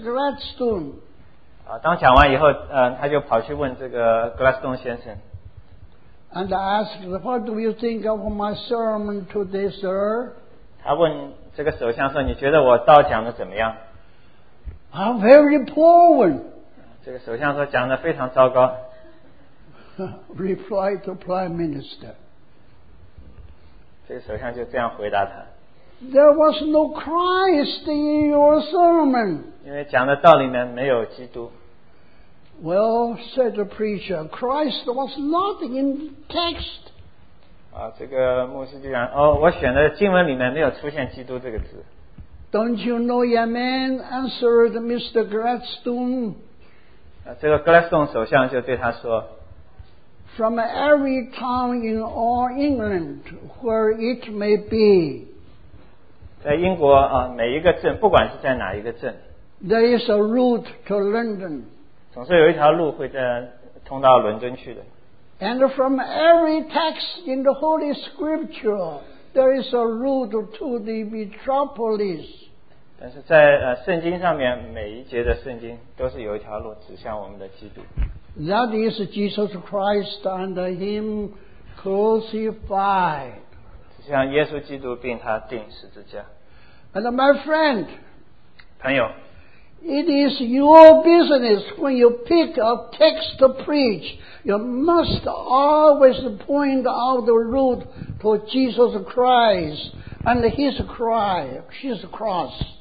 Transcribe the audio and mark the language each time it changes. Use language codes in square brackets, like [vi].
[en] Gladstone. [zh] 当讲完以后，他就跑去问这个 Gladstone 先生。 [en] And asked, "What do you think of my sermon today, sir?" [zh] 他问这个首相说：“你觉得我道讲的怎么样？” [en] A very poor one. [zh] 这个首相说讲的非常糟糕。 [en] replied the Prime Minister. [zh] 这个首相就这样回答他, [en] there was no Christ in your sermon. [zh] 因为讲的道里面没有基督。 [en] Well, said the preacher, Christ was not in the text. [zh] 啊, 这个牧师就讲, 哦, 我选的经文里面没有出现基督这个字。 [en] Don't you know your man? Answered Mr. Gladstone. [zh] 这个格莱斯顿首相就对他说, [en] From every town in all England, where it may be, [zh] 在英国, 每一个镇, 不管是在哪一个镇, [en] there is a route to London. [zh] 总是有一条路会在通到伦敦去的。 [en] And from every text in the Holy Scripture, there is a route to the metropolis. [zh] 但是在, 圣经上面, 每一节的圣经都是有一条路指向我们的基督。 [en] That is Jesus Christ and Him crucified. [zh] 像耶稣基督并他钉十字架。 [en] And my friend, [zh] 朋友, [en] it is your business when you pick a text to preach. You must always point out the route to Jesus Christ and His cry, His cross.